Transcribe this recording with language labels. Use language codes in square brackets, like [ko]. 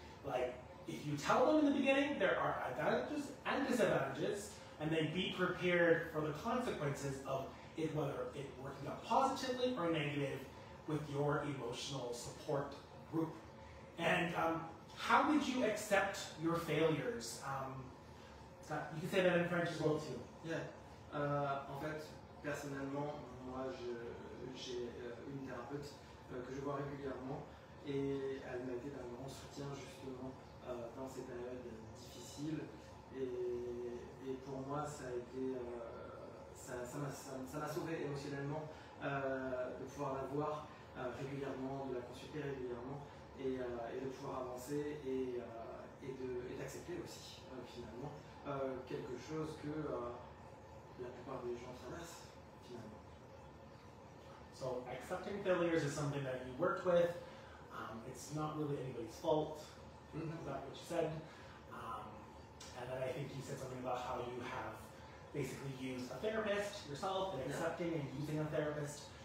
[en] Like, if you tell them in the beginning, there are advantages and disadvantages, and then be prepared for the consequences of it, whether it working out positively or negative with your emotional support group. And how would you accept your failures? You can say that in French as well too. Yeah. [fr] En fait, personnellement, moi, j'ai une thérapeute que je vois régulièrement et elle m'a été d'un grand soutien justement dans ces périodes difficiles. Et pour moi, ça a été ça m'a sauvé émotionnellement de pouvoir la voir régulièrement, de la consulter régulièrement et de pouvoir avancer et d'accepter aussi finalement quelque chose que la plupart des gens traversent finalement. [en] So accepting failures is something that you worked with. It's not really anybody's fault. Is that what you said? And then I think you said something about how you have basically use a therapist yourself and accepting and using a therapist.